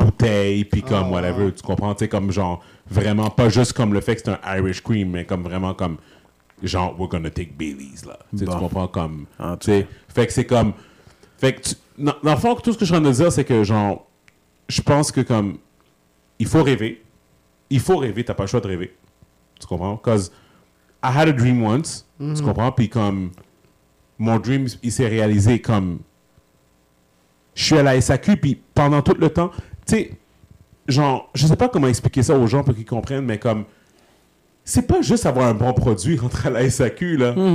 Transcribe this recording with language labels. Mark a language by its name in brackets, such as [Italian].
[French] La bouteille, puis comme whatever, tu comprends? Tu sais, comme genre, vraiment, pas juste comme le fait que c'est un Irish cream, mais comme vraiment comme, genre, [English] we're gonna take Baileys, [French] là. Bon. Tu comprends? Comme, tu sais, fait que c'est comme... Fait que tu, dans le fond, tout ce que je suis en train de dire, c'est que, genre, je pense que, comme, il faut rêver. Il faut rêver, t'as pas le choix de rêver. Tu comprends? [English] Because I had a dream once, [French] tu comprends? Puis, comme, mon dream, il s'est réalisé, comme, je suis à la SAQ, puis pendant tout le temps, tu sais, genre, je sais pas comment expliquer ça aux gens pour qu'ils comprennent, mais, comme, c'est pas juste avoir un bon produit, rentrer à la SAQ, là.